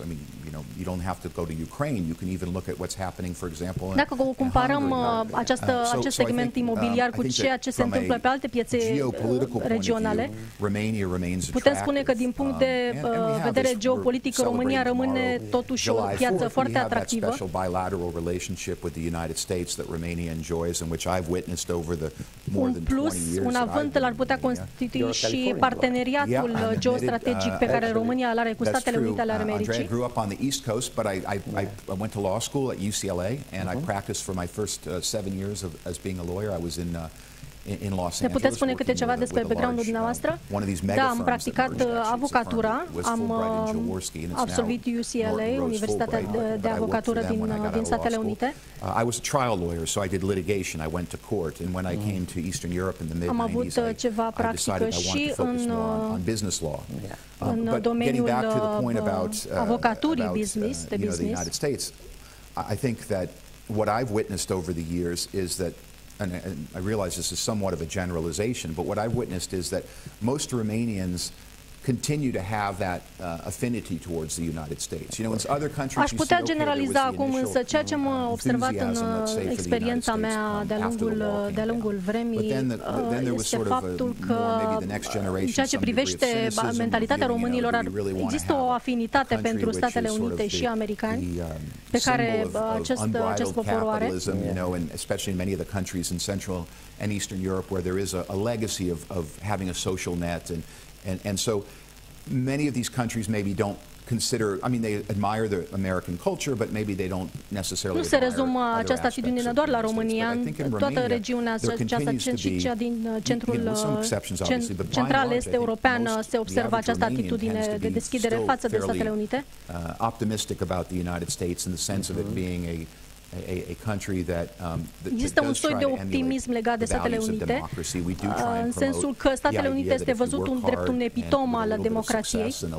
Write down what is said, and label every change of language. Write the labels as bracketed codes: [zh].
[en] I mean, you know, you don't have to go to Ukraine. You can even look at what's happening, for example, in Hungary. [ro] Dacă comparăm acest segment imobiliar cu ceea ce se întâmplă pe alte piețe regionale, [en] Romania remains [ro] putem spune că din punct de vedere geopolitic, România rămâne totuși o piață foarte atractivă. [en] Special bilateral relationship with the United States that Romania enjoys and which I've witnessed over the more than 20 years. [ro] Un avânt l-ar putea constitui și parteneriatul geostrategic pe care România l-are cu Statele Unite ale Americii. [en] Andrei grew up on the East Coast, but I went to law school at UCLA and I practiced for my first 7 years as being a lawyer. I was in Los Angeles. [ro] Ne puteți spune câte ceva despre background-ul dumneavoastră? Da, am practicat avocatura, am absolvit UCLA, Universitatea de Avocatură din Statele Unite. [en] I was a trial lawyer, so I did litigation. I went to court, and when I came to Eastern Europe in the mid-90s, [ro] am avut ceva practică și [en] on business law. [ro] În domeniul avocaturii business, de business. [en] The United States, I think that what I've witnessed over the years is that And I realize this is somewhat of a generalization, but what I've witnessed is that most Romanians continue to have that affinity towards the United States. You know, in other countries, [ro] aș putea generaliza acum, însă ceea ce am observat în experiența mea de-a lungul vremii este faptul că în ceea ce privește mentalitatea românilor, există o afinitate pentru Statele Unite și americani pe care acest popor o are. [en] You know, and especially in many of the countries in Central and Eastern Europe where there is a legacy of having a social net and so many of these countries maybe don't consider, I mean, they admire the American culture, but maybe they don't necessarily [ro] nu se rezumă această atitudine doar la România, toată regiunea aceasta, și cea din centrul central est european, se observă această atitudine de deschidere față de Statele Unite. [en] Optimistic about the United States in the sense of it being a country that, [ro] există un soi de optimism legat de Statele Unite, în sensul că Statele Unite este văzut un drept un epitom al democrației.